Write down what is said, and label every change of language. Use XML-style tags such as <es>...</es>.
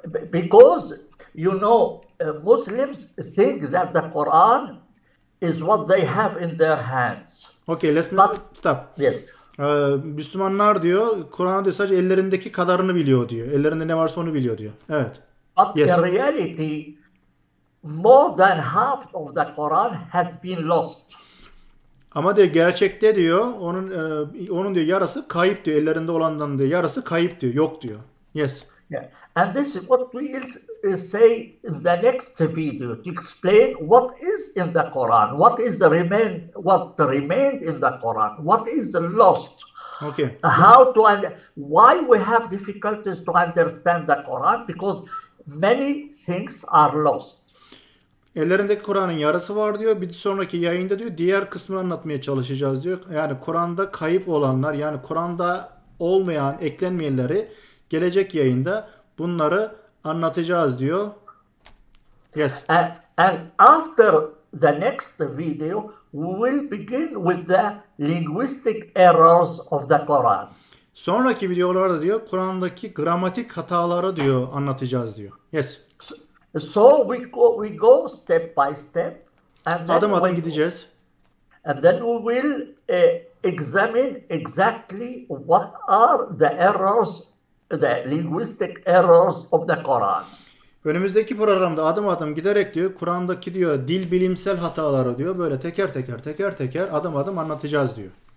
<en>Because you know, Muslims think that the Quran is what they have in their hands. But yes.</en> <tr>Müslümanlar diyor, Kur'an'ı diyor sadece ellerindeki kadarını biliyor diyor. Ellerinde ne varsa onu biliyor diyor. Evet.</tr> <en>But in reality, more than half of the Quran has been lost.</en> <tr>Ama diyor gerçekte diyor onun diyor yarısı kayıp diyor, ellerinde olandan diyor yarısı kayıp diyor, yok diyor.</tr> <en>Yeah. And this is what we will say in the next video to explain what is in the Quran, what remained in the Quran, what is lost, how to and why we have difficulties to understand the Quran because many things are lost.</en> <tr>Ellerindeki Kur'an'ın yarısı var diyor. Bir sonraki yayında diyor diğer kısmını anlatmaya çalışacağız diyor. Yani Kur'an'da kayıp olanlar, yani Kur'an'da olmayan, eklenmeyenleri gelecek yayında bunları anlatacağız diyor.</tr> <en>And after the next video, we will begin with the linguistic errors of the Quran.</en> <tr>Sonraki videolarda diyor Kur'an'daki gramatik hataları diyor anlatacağız diyor.</tr> <en>So we go step by step,</en> <tr>Adım adım gideceğiz.</tr> <en>and then we will examine exactly what are the linguistic errors of the Quran.</en> <tr>Önümüzdeki programda adım adım giderek diyor Kur'an'daki diyor dil bilimsel hataları diyor böyle teker teker teker teker adım adım anlatacağız diyor.</tr>